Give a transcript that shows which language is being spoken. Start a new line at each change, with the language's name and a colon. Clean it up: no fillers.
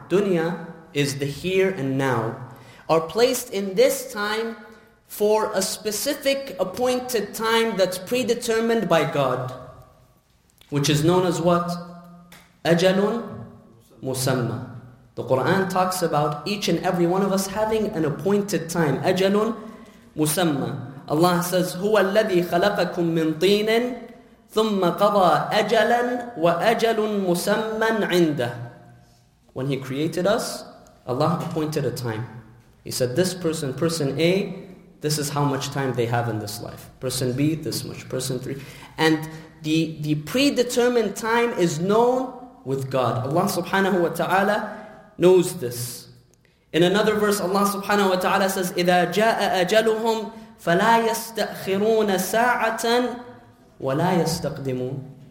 English: Dunya is the here and now, are placed in this time for a specific appointed time that's predetermined by God, which is known as what? Ajalun Musamma. The Quran talks about each and every one of us having an appointed time. Ajalun Musamma. Allah says,
Arabic: هُوَ الَّذِي خَلَقَكُم مِّن طِينٍ ثُمَّ قَضَى أَجَلًا وَأَجَلٌ مُسَمًّا عِنْدَهُ.
English: When He created us, Allah appointed a time. He said, this person, person A, this is how much time they have in this life. Person B, this much. Person 3. And the predetermined time is known with God. Allah subhanahu wa ta'ala knows this. In another verse, Allah subhanahu wa ta'ala says,
Arabic: إِذَا جَاءَ أَجَلُهُمْ فَلَا يَسْتَأْخِرُونَ سَاعَةً وَلَا يَسْتَقْدِمُونَ.